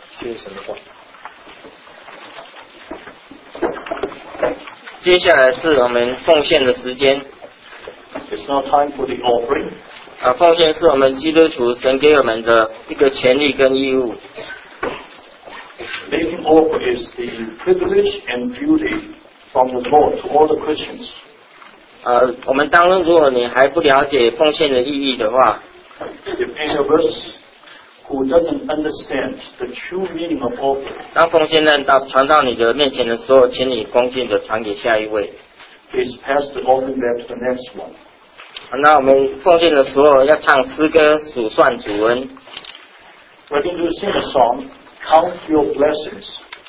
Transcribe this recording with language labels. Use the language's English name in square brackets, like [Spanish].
[Chinese] 谢谢神的话。接下来是我们奉献的时间。 [English] It's not time for the offering. [Chinese] 啊，奉献是我们基督徒神给我们的一个权利跟义务。 [English] Making offer is the privilege and duty from the Lord to all the Christians. [Chinese] 啊，我们当中如果你还不了解奉献的意义的话 [English] ，If any of us who doesn't understand the true meaning of offer, [Chinese] 当奉献人到传到你的面前的时候，请你恭敬的传给下一位。 [English] Please pass the offering back to the next one. [Chinese] 那我们奉献的时候要唱诗歌数算主恩。 [English] We're going to sing a song, Count Your Blessings.